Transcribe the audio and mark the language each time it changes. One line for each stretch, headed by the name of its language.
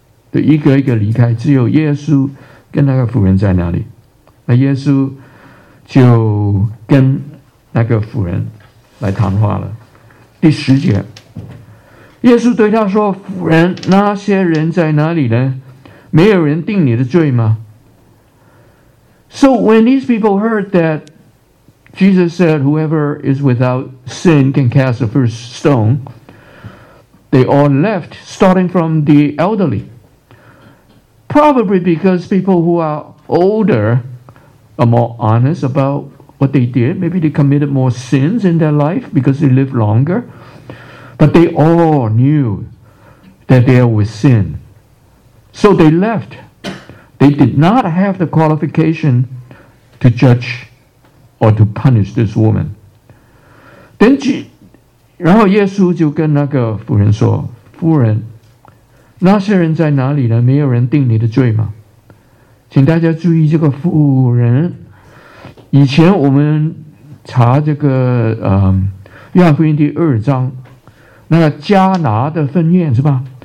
Chinese: 对，一个一个离开，只有耶稣跟那个妇人在那里。那耶稣就跟那个妇人来谈话了。第十节，耶稣对他说：“妇人，那些人在哪里呢？没有人定你的罪吗？”
English: So when these people heard that Jesus said, "Whoever is without sin can cast the first stone," they all left, starting from the elderly. Probably because people who are older are more honest about what they did. Maybe they committed more sins in their life because they lived longer. But they all knew that they were sin. So they left. They did not have the qualification to judge or to punish this woman. Then,
Chinese: 然后耶稣就跟那个妇人说，妇人，那些人在哪里呢？没有人定你的罪吗？请大家注意这个妇人。以前我们查这个约翰福音第二章，那个迦拿的婚宴是吧？